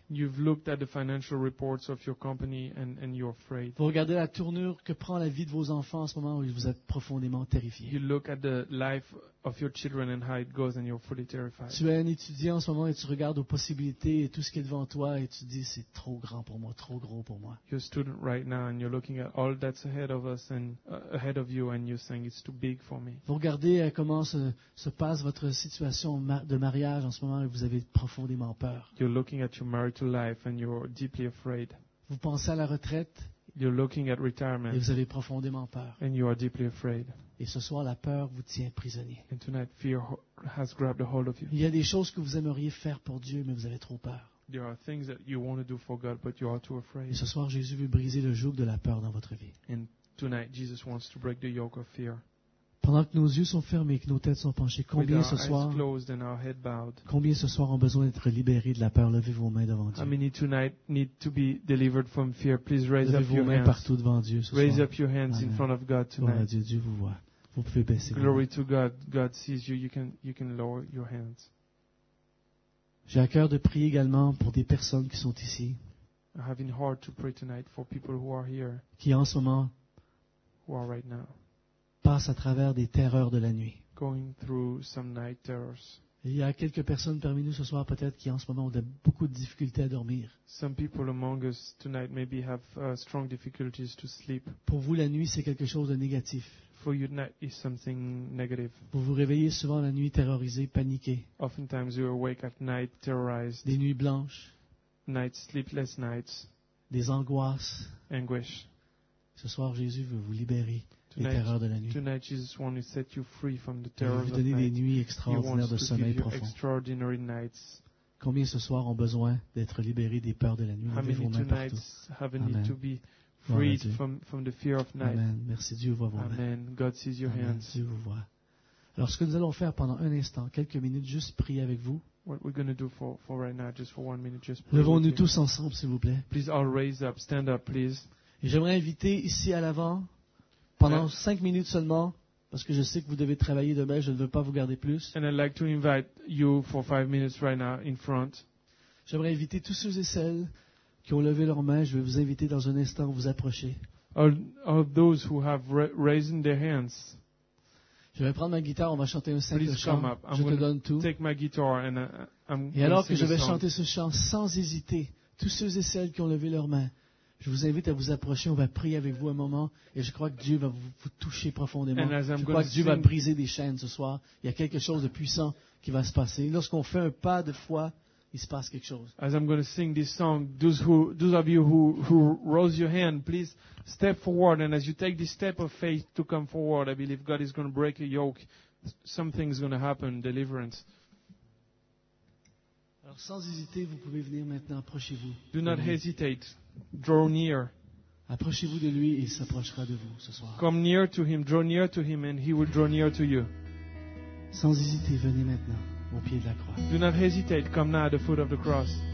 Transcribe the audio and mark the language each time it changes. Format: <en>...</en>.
<en>You've looked at the financial reports of your company and you're afraid.</en> <fr>Vous regardez la tournure que prend la vie de vos enfants en ce moment où vous êtes profondément terrifié.</fr> <en>You look at the life of your children and how it goes and you're fully terrified.</en> <fr>Tu es un étudiant en ce moment et tu regardes aux possibilités et tout ce qui est devant toi et tu dis c'est trop grand pour moi, trop gros pour moi.</fr> <en>You're a student right now and you're looking at all that's ahead of us and ahead of you and you're saying it's too big for me.</en> <fr>Vous regardez comment se passe votre situation de mariage en ce moment et vous avez profondément peur.</fr> <en>You're looking at your marital life and you're deeply afraid.</en> <fr>Vous pensez à la retraite.</fr> <en>You're looking at retirement.</en> <fr>Et vous avez profondément peur.</fr> <en>And you are deeply afraid.</en> <fr>Et ce soir, la peur vous tient prisonnier.</fr> <en>And tonight, fear has grabbed a hold of you.</en> <fr>Il y a des choses que vous aimeriez faire pour Dieu, mais vous avez trop peur.</fr> <en>There are things that you want to do for God, but you are too afraid.</en> <fr>Et ce soir, Jésus veut briser le joug de la peur dans votre vie.</fr> <en>And tonight, Jesus wants to break the yoke of fear.</en> <fr>Pendant que nos yeux sont fermés et que nos têtes sont penchées, combien ce soir, ont besoin d'être libérés de la peur? Levez vos mains devant Dieu.</fr> <en>How many tonight need to be delivered from fear? Please raise</en> <fr>Levez</fr> <en>up your hands.</en> <fr>Levez vos mains partout devant Dieu ce soir.</fr> <en>Raise up your hands in front of God tonight.</en> <fr>Gloire à Dieu, Dieu vous voit. Vous pouvez baisser.</fr> <en>Glory to God. God sees you. You can lower your hands.</en> <fr>J'ai à cœur de prier également pour des personnes qui sont ici.</fr> <en>I have in heart to pray tonight for people who are here.</en> <fr>Qui en ce moment?</fr> <en>Who are right now?</en> <fr>Passe à travers des terreurs de la nuit.</fr> <en>Going through some night terrors.</en> <fr>Il y a quelques personnes parmi nous ce soir peut-être qui en ce moment ont beaucoup de difficultés à dormir.</fr> <en>Some people among us tonight maybe have strong difficulties to sleep.</en> <fr>Pour vous la nuit c'est quelque chose de négatif.</fr> <en>For you night is something negative.</en> <fr>Vous vous réveillez souvent la nuit terrorisé, paniqué.</fr> <en>Oftentimes you awake at night terrorized.</en> <fr>Des nuits blanches.</fr> <en>Nights, sleepless nights.</en> <fr>Des angoisses.</fr> <en>Anguish.</en> <fr>Ce soir Jésus veut vous libérer. Les terreurs de la nuit.</fr> <en>Tonight, Jesus wants to set you free from the terrors of night.</en> <fr>Vous donner des nuits extraordinaires de sommeil profond.</fr> <en>Extraordinary nights.</en> <fr>Combien ce soir ont besoin d'être libérés des peurs de la nuit? Levez vos mains partout. Amen.</fr> <en>Need to be freed from the fear of night.</en> <fr>Amen. Merci Dieu, vous voit.</fr> <en>Amen. God sees your Amen. Hands.</en> <fr>Dieu vous voit. Alors, ce que nous allons faire pendant un instant, quelques minutes, juste prier avec vous.</fr> <en>What we're going to do for right now, just for one minute, just pray.</en> <fr>Levons-nous tous ensemble, s'il vous plaît.</fr> <en>Please all raise up, stand up, please.</en> <fr>Et j'aimerais inviter ici à l'avant. Pendant 5 minutes seulement, parce que je sais que vous devez travailler demain, je ne veux pas vous garder plus.</fr> <en>And I'd like to invite you for 5 minutes right now in front.</en> <fr>J'aimerais inviter tous ceux et celles qui ont levé leurs mains, je vais vous inviter dans un instant à vous approcher.</fr> <en>All those who have raised their hands.</en> <fr>Je vais prendre ma guitare, on va chanter un simple</fr> <en>Please</en> <fr>chant.</fr> <en>Come up. I'm</en> <fr>je te donne tout.</fr> <en>Take my guitar and</en> <fr>et alors que je vais chanter ce chant sans hésiter, tous ceux et celles qui ont levé leurs mains, je vous invite à vous approcher, on va prier avec vous un moment et je crois que Dieu va vous toucher profondément. Je crois que Dieu va briser des chaînes ce soir. Il y a quelque chose de puissant qui va se passer. Lorsqu'on fait un pas de foi, il se passe quelque chose.</fr> <en>As I'm going to sing this song, those of you who rose your hand, please step forward and as you take this step of faith to come forward, I believe God is going to break a yoke. Something is going to happen, deliverance.</en> <fr>Alors sans hésiter, vous pouvez venir maintenant, approchez-vous.</fr> <en>Do not hesitate. Draw near.</en> <fr>Approchez-vous de lui et il s'approchera de vous ce soir.</fr> <en>Come near to him, draw near to him and he will draw near to you.</en> <fr>Sans hésiter, venez maintenant au pied de la croix.</fr> <en>Do not hesitate, come now at the foot of the cross.</en>